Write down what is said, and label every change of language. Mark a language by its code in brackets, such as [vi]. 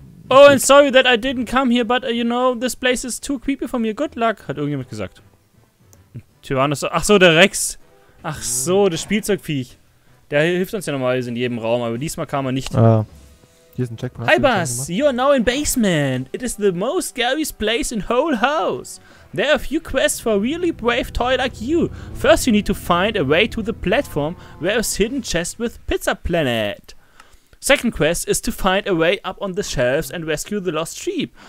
[en] Oh, and sorry that I didn't come here, but you know, this place is too creepy for me. Good luck, [de] hat irgendjemand gesagt. Tyrannosaurus. Ach so, der Rex. Ach so, das Spielzeugviech. Der hilft uns ja normalerweise in jedem Raum, aber diesmal kam er nicht. Hier ist ein Checkpoint. [en] Hi Buzz, you are now in basement. It is the most scariest place in whole house. There are a few quests for a really brave toy like you. First you need to find a way to the platform where is hidden chest with Pizza Planet. Second quest is to find a way up on the shelves and rescue the lost sheep.